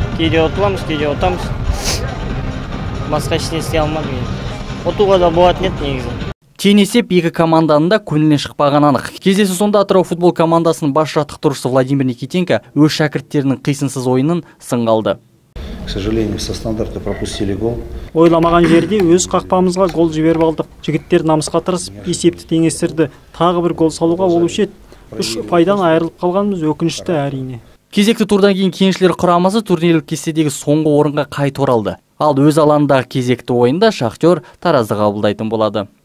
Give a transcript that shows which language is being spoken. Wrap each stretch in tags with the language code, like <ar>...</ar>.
<kk>Кейде ұтыламыз, кейде ұтамыз. Басқа ештеңе істей алмадық енді. Ұтуға да болатын еді негізі. Тең есеп екі команданың да көңілінен шықпағаны анық. Кездесу соңында Атырау футбол командасының бас жаттықтырушысы Владимир Никитенко өз шәкірттерінің қисынсыз ойынын сынға алды.</kk> <ru>К сожалению, со стандарта пропустили гол.</ru> <kk>Ойламаған жерде өз қақпамызға гол жіберіп алдық. Жігіттер намысқа тырысып есепті теңестірді. Тағы бір гол салуға болушы еді. Үш ұпайдан айырылып қалғанымыз өкінішті әрине. Кезекті турдан кейін кеншілер құрамасы турнирлік кестедегі соңғы орынға қайта оралды. Ал өз алаңындағы кезекті ойында Шахтер Таразды қабылдайтын болады.</kk>